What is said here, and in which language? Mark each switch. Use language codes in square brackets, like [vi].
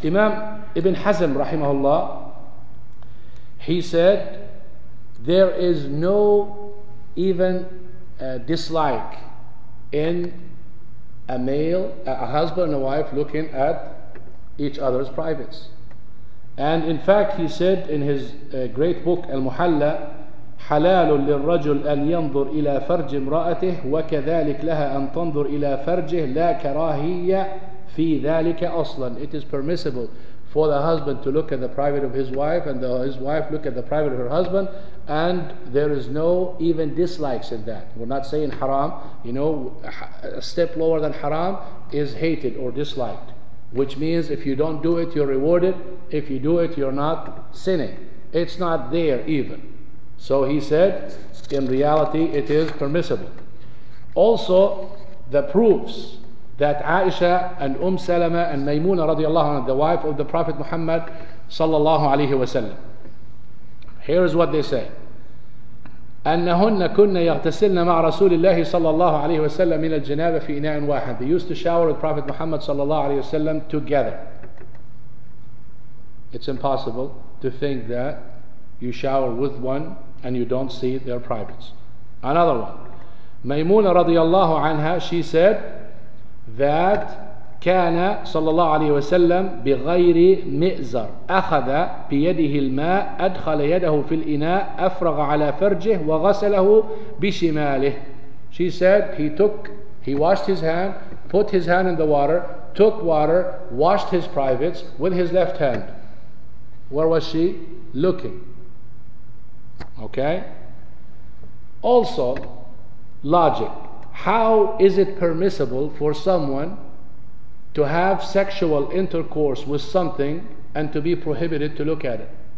[en] Imam Ibn Hazm rahimahullah, he said, there is no even dislike in a male, a husband and a wife looking at each other's privates. And in fact, he said in his great book, Al-Muhalla, [ar] حَلَالٌ لِلْرَجُلْ أَلْ يَنْظُرْ إِلَىٰ فَرْجِ امْرَأَتِهِ وَكَذَلِكْ لَهَا أَنْ تَنْظُرْ إِلَىٰ فَرْجِهِ لَا كَرَاهِيَّ فِي ذَلِكَ أَصْلًا. [en] It is permissible for the husband to look at the private of his wife and his wife look at the private of her husband, and there is no even dislikes in that. We're not saying haram. You know, a step lower than haram is hated or disliked, which means if you don't do it, you're rewarded. If you do it, you're not sinning. It's not there even. So he said, in reality, it is permissible. Also, the proofs that Aisha and Salama and Maymuna radiallahu anha, the wife of the Prophet Muhammad sallallahu alayhi wa sallam. Here is what they say. [ar] أَنَّهُنَّ كُنَّ يَغْتَسِلْنَ مَعْ رَسُولِ اللَّهِ صَلَّى اللَّهُ عَلَيْهِ وَسَلَّمْ مِنَ الْجِنَابَ فِي إِنَاءٍ وَاحِدٍ. [en] They used to shower with Prophet Muhammad sallallahu alayhi wa sallam together. It's impossible to think that you shower with one and you don't see their privates. Another one. Maymuna radiallahu anha, she said that [ar] كان صلى الله عليه وسلم بغير مئزر أخذ بيده الماء أدخل يده في الإناء أفرغ على فرجه وغسله بشماله. [en] She said he washed his hand, put his hand in the water, took water, washed his privates with his left hand. Where was she looking? Okay. Also, logic. How is it permissible for someone to have sexual intercourse with something and to be prohibited to look at it?